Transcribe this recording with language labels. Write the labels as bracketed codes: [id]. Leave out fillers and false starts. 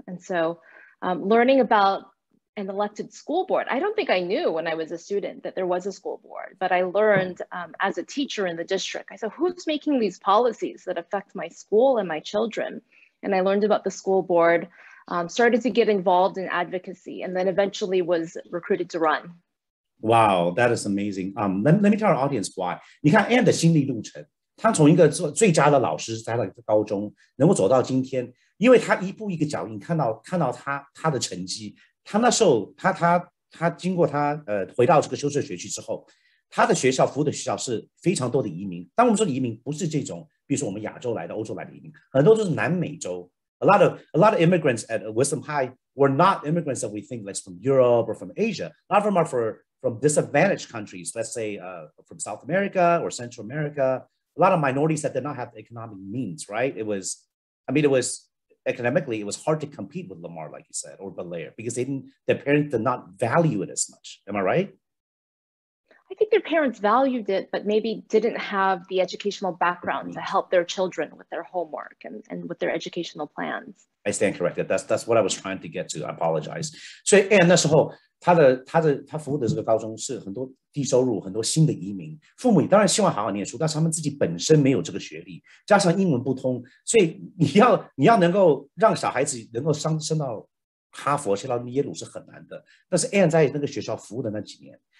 [en] And so learning about an elected school board, I don't think I knew when I was a student that there was a school board, but I learned as a teacher in the district. I said, who's making these policies that affect my school and my children? And I learned about the school board. Started to get involved in advocacy, and then eventually was recruited to run. Wow, that is amazing. Let me tell our audience why. [zh] 你看 Anne 的心理路程，她从一个做最佳的老师，在高中能够走到今天，因为她一步一个脚印，看到她的成绩。她那时候，她经过她回到这个休士顿学区之后，她的学校服务的学校是非常多的移民。当我们说移民，不是这种，比如说我们亚洲来的、欧洲来的移民，很多都是南美洲。 [en] A lot of immigrants at Wisdom High were not immigrants that we think like from Europe or from Asia. A lot of them are from disadvantaged countries, let's say from South America or Central America. A lot of minorities that did not have the economic means, right? It was economically, it was hard to compete with Lamar, like you said, or Belair, because their parents did not value it as much. Am I right? I think their parents valued it, but maybe didn't have the educational background to help their children with their homework and with their educational plans. I stand corrected. That's what I was trying to get to. I apologize. So, and [zh] 那时候他的服务的这个高中是很多低收入、很多新的移民，父母当然希望好好念书，但是他们自己本身没有这个学历，加上英文不通，所以你要能够让小孩子能够升到哈佛、去到耶鲁是很难的。但是 Anne 在那个学校服务的那几年。